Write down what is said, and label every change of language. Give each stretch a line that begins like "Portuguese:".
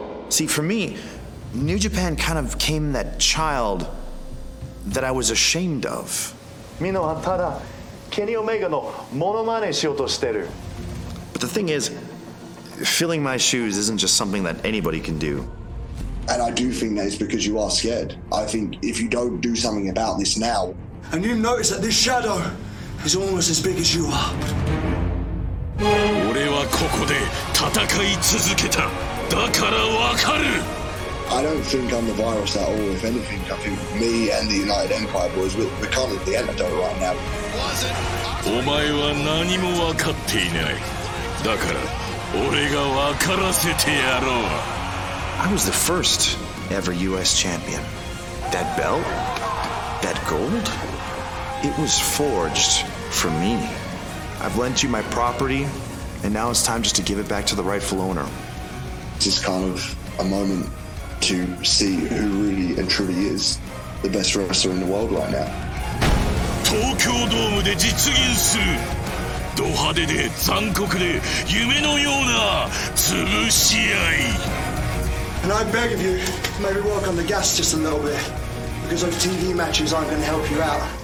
English: See, for me, New Japan kind of came that child that I was ashamed of.
Japanese: みんなはただケニー・オメガのモノマネしようとしてる。
English: But the thing isFilling my shoes isn't just something that anybody can do. And I do think that it's because you are scared. I think if you don't do something about this now... And you notice that this shadow is almost as big as you are.
Japanese: 俺はここで戦い続けた。だからわかる。
English: I don't think I'm the virus at all. If anything, I think me and the United Empire boys, we're kind of the antidote right now.
Japanese: お前は何もわかっていない。だから俺が分からせてやろう。
English: I was the first ever US champion. That belt, that gold, it was forged for me. I've lent you my property, and now it's time just to give it back to the rightful owner. This is kind of a moment to see who really and truly is the best wrestler in the world right now.
Japanese: 東京ドームで実現する、ド派手で残酷で夢のような潰し合い。
English: And I beg of you, maybe work on the gas just a little bit, because those TV matches aren't going to help you out.